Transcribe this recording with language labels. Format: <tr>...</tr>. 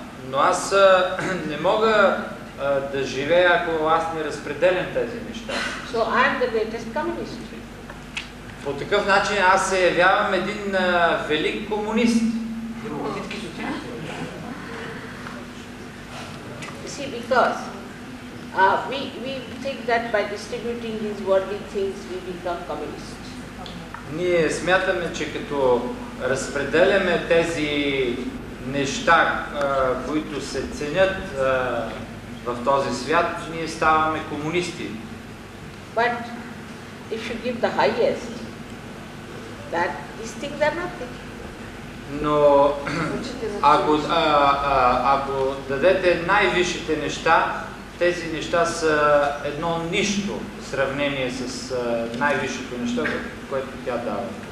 <bg>Но аз не мога да живея, ако аз не разпределям тези неща.</bg> <en>So I'm the greatest communist.</en> <bg>По такъв начин аз се явявам един велик комунист.</bg> <en>See, because we think that by distributing these worldly things we become communist.</en> <bg>Ние смятаме, че като разпределяме тези неща, които се ценят в този свят, ние ставаме комунисти.</bg> <en>But if you give the highest, that these things are nothing.</en> <bg>Но ако дадете най-висшите неща, тези неща са едно нищо в сравнение с най-висшото нещо, което тя дава.</bg>